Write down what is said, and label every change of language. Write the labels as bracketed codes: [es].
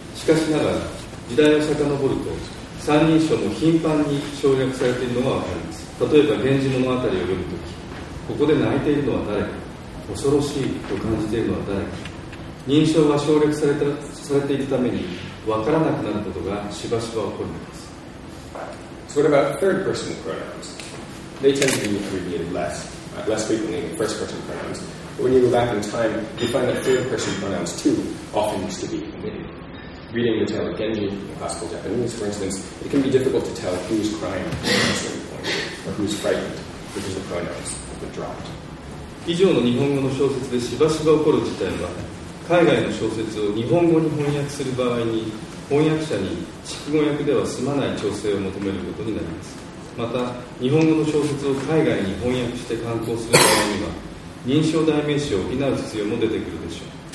[ja] しかしながら時代を遡ると三人称も頻繁に省略されているのがわかります。例えば源氏物語を読むとき、ここで泣いているのは誰か、恐ろしいと感じているのは誰か。人称が省略されているためにわからなくなることがしばしば起こります。 [en] So what about third person pronouns? They tend to be abbreviated less frequently than first-person pronouns. But when you go back in time, you find that third-person pronouns, too, often used to be omitted. Reading the tale of Genji in classical Japanese, for instance, it can be difficult to tell who's crying at a certain point, or who's frightened, because the pronouns have been dropped. [ja] 以上の日本語の小説でしばしば起こる事態は、海外の小説を日本語に翻訳する場合に、翻訳者に筑語訳では済まない調整を求めることになります。また日本語の小説を海外に翻訳して刊行する場合には認証代名詞を補う必要も出てくるでしょう。